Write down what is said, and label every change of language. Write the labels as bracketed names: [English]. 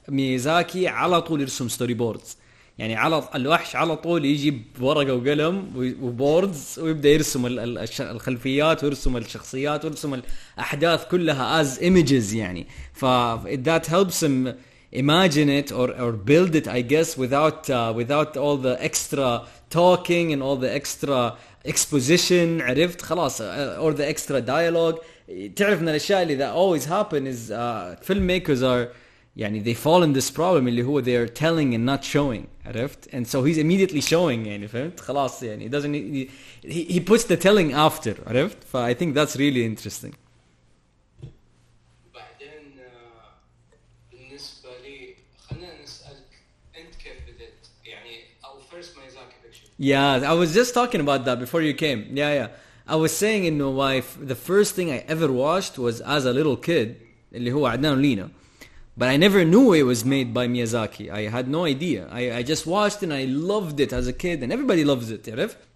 [Arabic] ميازاكي على طول يرسم ستوري بوردز. يعني على الوحش على طول يجي ورقة وقلم وبوردز ويبدأ يرسم الخلفيات ويرسم الشخصيات ويرسم الأحداث كلها [English] as images. يعني ف that helps him imagine it or build it I guess without all the extra talking and all the extra exposition. [Arabic] عرفت خلاص. [English] Or the extra dialogue. [Arabic] تعرف من الأشياء اللي [English] that always happen is filmmakers are يعني they fall in this problem [Arabic] اللي هو [English] they're telling and not showing. [Arabic] عرفت. [English] And so he's immediately showing. [Arabic] يعني فهمت خلاص. [English] يعني he puts the telling after. [Arabic] عرفت. [English] ف I think that's really interesting. [Arabic] بعدين بالنسبة لي خلنا نسألك أنت كيف بدأت يعني أو [English] first my Zaki picture. Yeah, I was just talking about that before you came. Yeah yeah, I was saying in my wife the first thing I ever watched was as a little kid [Arabic] اللي هو [English] عدنان ولينا. But I never knew it was made by Miyazaki. I had no idea. I just watched and I loved it as a kid. And everybody loves it, [Arabic] عرف?